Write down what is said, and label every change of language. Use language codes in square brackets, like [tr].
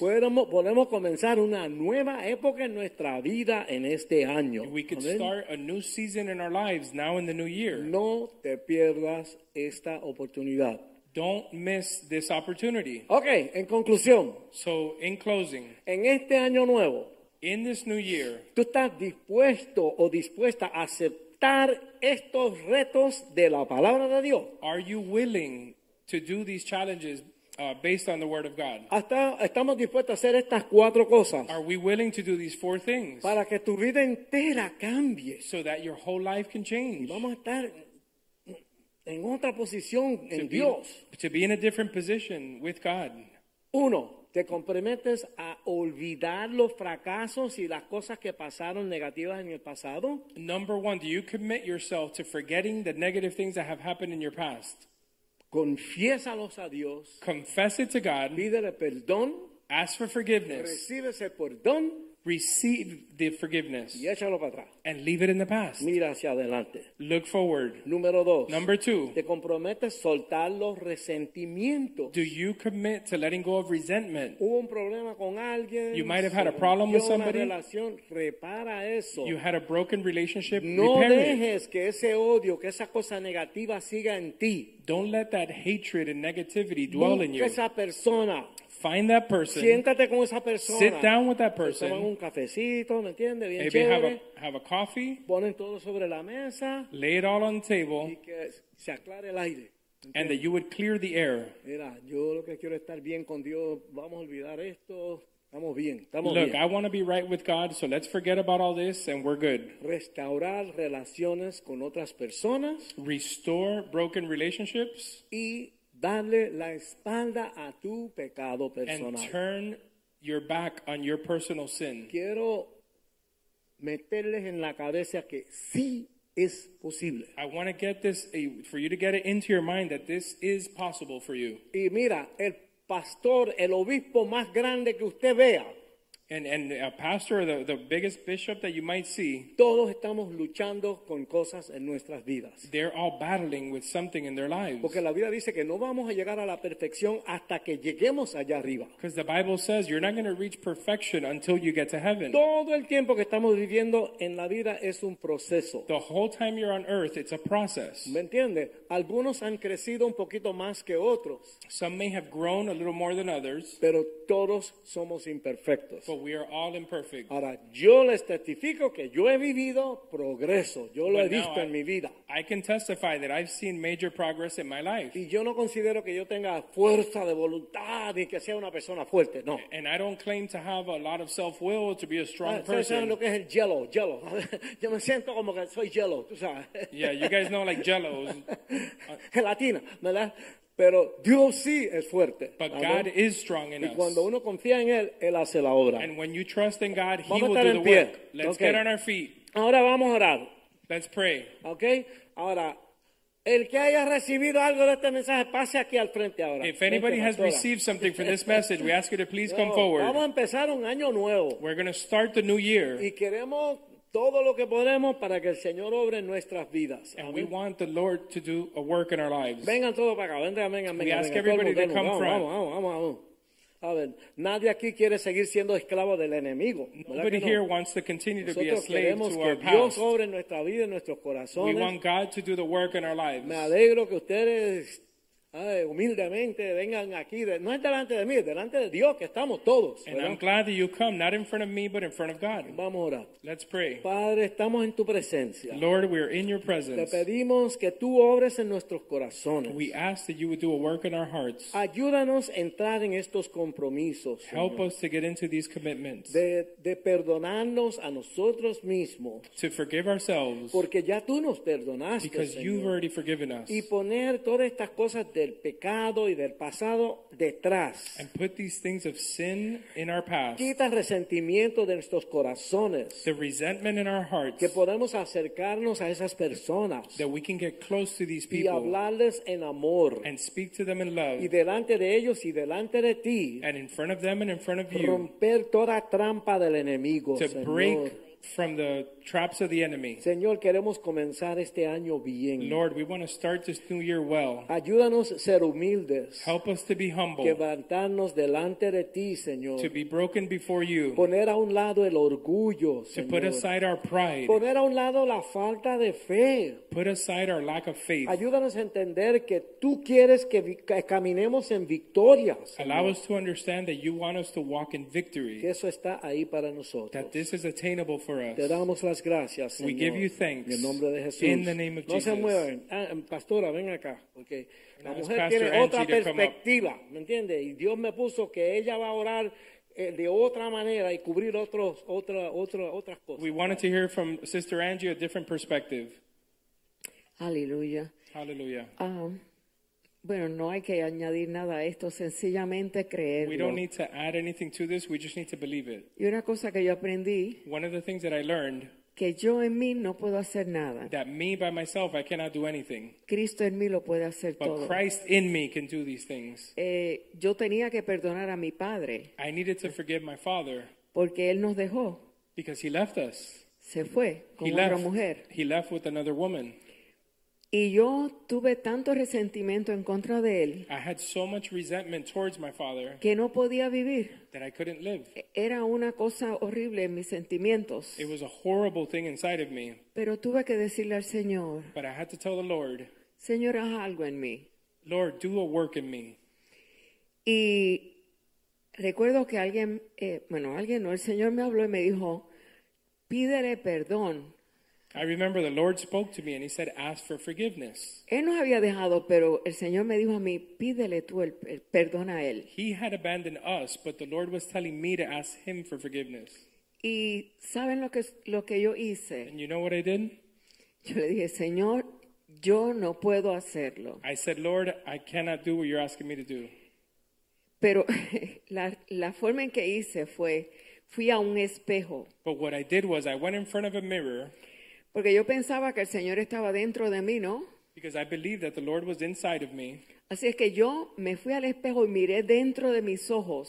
[es] Podemos comenzar una nueva época en nuestra vida en este año. [en] We could amen. Start a new season in our lives now in the new year. [es] No te pierdas esta oportunidad. [en] Don't miss this opportunity. [es] Okay, en conclusión. [en] So, in closing. [es] En este año nuevo. [en] In this new year, [es] ¿tú estás dispuesto o dispuesta a aceptar estos retos de la palabra de Dios? [en] Are you willing to do these challenges based on the word of God? [es] ¿Estamos dispuestos a hacer estas 4 cosas? [en] Are we willing to do these 4 things? [es] Para que tu vida entera cambie. [en] So that your whole life can change. [es] Vamos a estar en otra posición en Dios. [en] To be in a different position with God. [es] Uno. Te comprometes a olvidar los fracasos y las cosas que pasaron negativas en el pasado. [en] Number 1, do you commit yourself to forgetting the negative things that have happened in your past? [es] Confiésalos a Dios. [en] Confess it to God. [es] Pídele perdón. [en] Ask for forgiveness. [es] Recibe ese perdón. [en] Receive the forgiveness. [es] Y échalo para atrás. [en] And leave it in the past. [es] Mira hacia adelante. [en] Look forward. [es] Número dos. [en] Number two. [es] Te comprometes soltar los resentimientos. [en] Do you commit to letting go of resentment? [es] Hubo un problema con alguien. [en] You might have had a problem with somebody. [es] Una relación. Repara eso. [en] You had a broken relationship. [es] No dejes que ese odio, que esa cosa negativa siga en ti. [en] Don't let that hatred and negativity dwell in you. [es] Esa persona. [en] Find that person. [es] Siéntate con esa persona. [en] Sit down with that person. [es] Toma un cafecito, ¿me entiende? Bien [en] maybe [es] chévere. [en] Have a coffee. [es] Ponen todo sobre la mesa. [en] Lay it all on the table. [es] Y que se aclare el aire. [en] Okay. And that you would clear the air. [es] Mira, yo lo que quiero estar bien con Dios. Vamos a olvidar esto. Estamos bien. Estamos [en] look, [es] bien. [en] I want to be right with God, so let's forget about all this and we're good. [es] Restaurar relaciones con otras personas. [en] Restore broken relationships. [es] Y darle la espalda a tu pecado personal. [en] And turn your back on your personal sin. [es] Quiero meterles en la cabeza que sí es posible. [en] I want to get this, for you to get it into your mind that this is possible for you. [es] Y mira, el pastor, el obispo más grande que usted vea. [en] And a pastor, the biggest bishop that you might see. [es] Todos estamos luchando con cosas en nuestras vidas. [en] They're all battling with something in their lives. [es] Porque la Biblia dice que no vamos a llegar a la perfección hasta que lleguemos allá arriba. [en] Because the Bible says you're not going to reach perfection until you get to heaven. [es] Todo el tiempo que estamos viviendo en la vida es un proceso. [en] The whole time you're on earth, it's a process. [es] ¿Me entiende? Algunos han crecido un poquito más que otros. [en] Some may have grown a little more than others. [es] Pero todos somos imperfectos. [en] But we are all imperfect. [es] Ahora, yo les testifico que yo he vivido progreso. Yo lo [en] but [es] he visto en mi vida. [en] I can testify that I've seen major progress in my life. [es] Y yo no considero que yo tenga fuerza de voluntad y que sea una persona fuerte, no. [en] And I don't claim to have a lot of self-will to be a strong person. [es] Lo que es el jello, jello. Yo me siento como que soy jello, tú sabes. [en] Yeah, you guys know like jello. [es] Gelatina, ¿verdad? Pero Dios sí es fuerte. [en] But ¿vale? God is strong in [es] y cuando uno confía en Él, Él hace la obra. [en] And when you trust in God, He [es] vamos [en] will do the [es] pie. [en] Work. Let's okay. get on our feet. [es] Ahora vamos a orar. [en] Let's pray. Okay? [es] Ahora, el que haya recibido algo de este mensaje, pase aquí al frente ahora. [en] If anybody has received something from this message, we ask you to please come forward. [es] Vamos a empezar un año nuevo. [en] We're going to start the new year. [es] Y queremos todo lo que podemos para que el Señor obre en nuestras vidas. [en] And we want the Lord to do a work in our lives. [es] Vengan todos para acá. Vengan. [en] We ask everybody to come front. [es] Vamos. A ver, nadie aquí quiere seguir siendo esclavo del enemigo. [en] Nobody here wants to continue to be a slave to our past. [es] Nosotros queremos que Dios obre en nuestra vida, en nuestros corazones. [en] We want God to do the work in our lives. [es] Me alegro que ustedes humildemente vengan aquí, no es delante de mí, es delante de Dios que estamos todos. [en] And I'm glad that you come, not in front of me, but in front of God. [es] Vamos a orar. [en] Let's pray. [es] Padre, estamos en tu presencia. [en] Lord, we are in your presence. [es] Te pedimos que tú obres en nuestros corazones. [en] We ask that you would do a work in our hearts. [es] Ayúdanos a entrar en estos compromisos. [en] Help [es] Señor. [en] Us to get into these commitments. [es] De perdonarnos a nosotros mismos. [en] To forgive ourselves. [es] Porque ya tú nos perdonaste. [en] Because [es] Señor. [en] You've already forgiven us. [es] Y poner todas estas cosas del pecado y del pasado detrás. [en] And put these things of sin in our past. [es] Quita el resentimiento de nuestros corazones. [en] The resentment in our hearts. [es] Que podamos acercarnos a esas personas. [en] That we can get close to these people. [es] Y hablarles en amor. [en] And speak to them in love. [es] Y delante de ellos y delante de ti. [en] And in front of them and in front of you. [es] Romper toda trampa del enemigo, [en] to [es] Señor. [en] Break from the traps of the enemy. [es] Señor, queremos comenzar este año bien. [en] Lord, we want to start this new year well. [es] Ayúdanos a ser humildes. [en] Help us to be humble. [es] Quebrantarnos delante de ti, Señor. [en] To be broken before you. [es] Poner a un lado el orgullo, Señor. [en] To put aside our pride. [es] Poner a un lado la falta de fe. [en] Put aside our lack of faith. [es] Ayúdanos a entender que tú quieres que caminemos en victoria, Señor. [en] Allow us to understand that you want us to walk in victory. [es] Que eso está ahí para nosotros. [en] That this is attainable for us. [es] Te damos las gracias, Señor. [en] We give you thanks [es] en el nombre de Jesús. [en] In the name of [es] no [en] Jesus. [es] Se mueven. Pastora, ven acá. Okay. La mujer Pastor tiene Angie otra perspectiva, ¿me entiende? Y Dios me puso que ella va a orar de otra manera y cubrir otras cosas. [en] We wanted to hear from Sister Angie a different perspective. [es] Aleluya. Aleluya. Bueno, no hay que añadir nada a esto, sencillamente creerlo. [en] We don't need to add anything to this, we just need to believe it. [es] Y una cosa que yo aprendí, [en] one of the things that I learned, [es] que yo en mí no puedo hacer nada. [en] That me by myself, I cannot do anything. [es] Cristo en mí lo puede hacer [en] but [es] todo. [en] Christ in me can do these things. [es] Yo tenía que perdonar a mi padre. [en] I needed to forgive my father. [es] Porque él nos dejó. [en] Because he left us. [es] Se fue con [en] he [es] otra [en] left. [es] Mujer. [en] He left with another woman. [es] Y yo tuve tanto resentimiento en contra de él. [en] I had so much resentment towards my father. [es] Que no podía vivir. [en] That I couldn't live. [es] Era una cosa horrible en mis sentimientos. [en] It was a horrible thing inside of me. [es] Pero tuve que decirle al Señor. [en] But I had to tell the Lord. [es] Señor, haz algo en mí. [en] Lord, do a work in me. [es] Y recuerdo que alguien, el Señor me habló y me dijo, pídele perdón. [en] I remember the Lord spoke to me and he said, ask for forgiveness. [es] Él nos había dejado, pero el Señor me dijo a mí, pídele tú el perdón a él. [en] He had abandoned us, but the Lord was telling me to ask him for forgiveness. [es] Y saben lo que yo hice. [en] And you know what I did? [es] Yo le dije, Señor, yo no puedo hacerlo. [en] I said, Lord, I cannot do what you're asking me to do. [es] Pero la forma en que hice fue, fui a un espejo. [en] But what I did was, I went in front of a mirror. [es] Porque yo pensaba que el Señor estaba dentro de mí, ¿no? [en] Because I believed that the Lord was inside of me. [es] Así es que yo me fui al espejo y miré dentro de mis ojos.